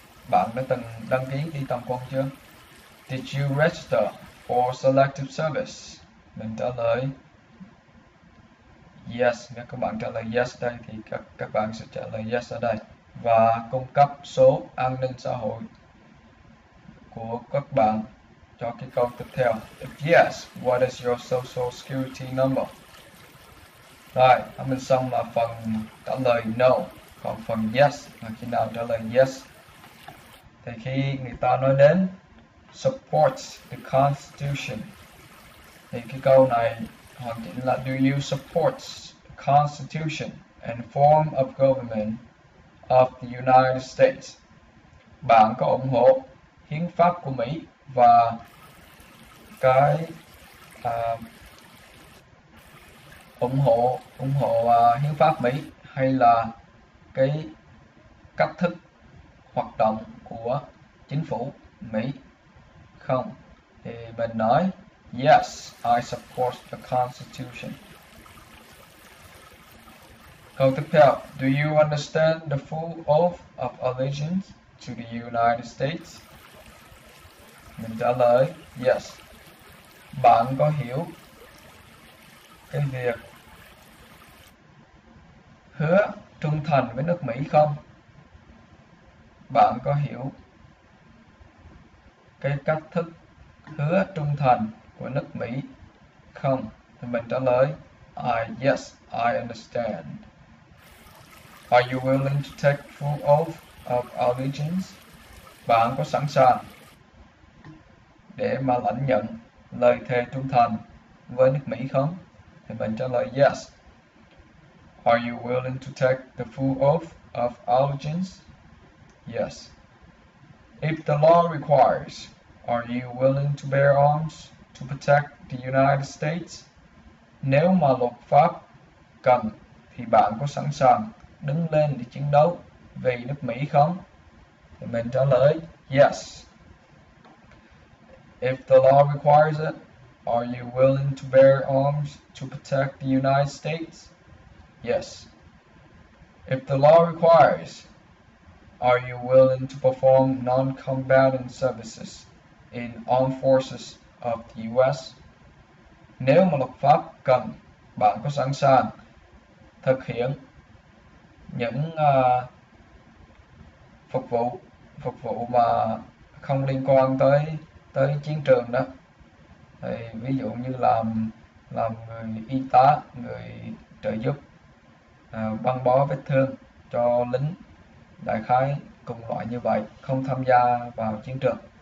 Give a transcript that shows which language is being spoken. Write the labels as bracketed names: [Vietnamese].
[Vietnamese] Bạn đã từng đăng ký đi tổng quân chưa? [English] Did you register for selective service? [Vietnamese] Mình trả lời yes. Nếu các bạn trả lời yes đây thì các bạn sẽ trả lời yes ở đây. Và cung cấp số an ninh xã hội của các bạn cho cái câu tiếp theo. [English] If yes, what is your social security number? [Vietnamese] Rồi, mình xong là phần trả lời no. Còn phần yes là khi nào trả lời yes? Thì khi người ta nói đến [English] supports the constitution [Vietnamese] thì cái câu này hoàn chỉnh là [English] do you support the constitution and form of government of the United States? [Vietnamese] Bạn có ủng hộ hiến pháp của Mỹ và cái ủng hộ hiến pháp Mỹ hay là cái cách thức hoạt động của chính phủ Mỹ không? Thì mình nói [English] yes, I support the Constitution. [Vietnamese] Câu tiếp theo, [English] do you understand the full oath of allegiance to the United States? [Vietnamese] Mình trả lời yes. Bạn có hiểu cái việc hứa trung thành với nước Mỹ không? Bạn có hiểu cái cách thức hứa trung thành của nước Mỹ không? Thì mình trả lời [English] yes, I understand. Are you willing to take full oath of allegiance? [Vietnamese] Bạn có sẵn sàng để mà lãnh nhận lời thề trung thành với nước Mỹ không? Thì mình trả lời yes. [English] Are you willing to take the full oath of allegiance? Yes. If the law requires, are you willing to bear arms to protect the United States? [Vietnamese] Nếu mà luật pháp cần thì bạn có sẵn sàng đứng lên để chiến đấu vì nước Mỹ không? Thì mình trả lời yes. [English] If the law requires it, are you willing to bear arms to protect the United States? Yes. If the law requires, are you willing to perform non-combatant services in armed forces of the US? [Vietnamese] Nếu mà luật pháp cần, bạn có sẵn sàng thực hiện những phục vụ mà không liên quan tới tới chiến trường đó. Thì ví dụ như làm người y tá, người trợ giúp, băng bó vết thương cho lính, đại khái cùng loại như vậy, không tham gia vào chiến trường.